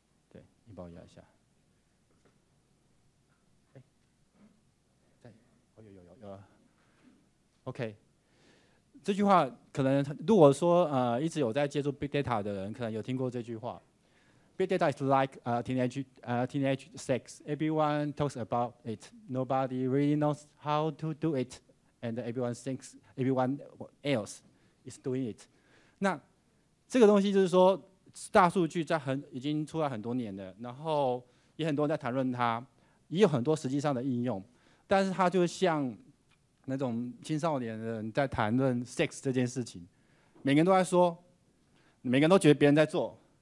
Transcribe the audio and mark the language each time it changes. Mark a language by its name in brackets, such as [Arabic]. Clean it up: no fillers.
[Chinese] 对，你帮我压一下。哎，有了。OK， 这句话可能如果说一直有在接触 Big Data 的人，可能有听过这句话。 [English] Big data is like teenage sex. Everyone talks about it. Nobody really knows how to do it, and everyone thinks everyone else is doing it. [Chinese] 那这个东西就是说，大数据已经出来很多年了，然后也很多人在谈论它，也有很多实际上的应用，但是它就像那种青少年人在谈论 sex 这件事情，每个人都在说，每个人都觉得别人在做。